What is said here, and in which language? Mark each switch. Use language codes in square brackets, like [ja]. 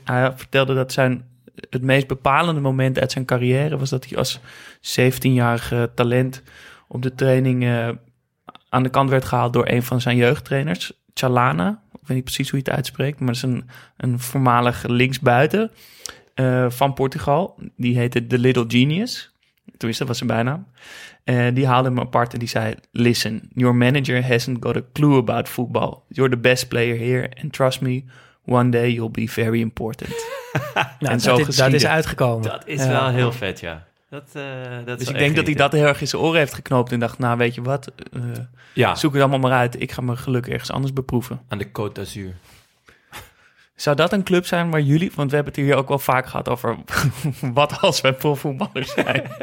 [nl] Hij vertelde dat het meest bepalende moment uit zijn carrière was dat hij als 17-jarige talent op de training aan de kant werd gehaald door een van zijn jeugdtrainers, Chalana. Ik weet niet precies hoe je het uitspreekt, maar dat is een voormalig linksbuiten van Portugal. Die heette The Little Genius. Tenminste, dat was zijn bijnaam. Die haalde hem apart en die zei, [en] listen, your manager hasn't got a clue about football. You're the best player here and trust me, one day you'll be very important. [nl] Nou, en dat is uitgekomen. Dat is wel heel vet, ja. Dat dus ik denk dat hij dat heel erg in zijn oren heeft geknoopt en dacht, nou weet je wat, zoek het allemaal maar uit. Ik ga mijn geluk ergens anders beproeven. Aan de Côte d'Azur. Zou dat een club zijn waar jullie, want we hebben het hier ook wel vaak gehad over wat als wij profvoetballers zijn.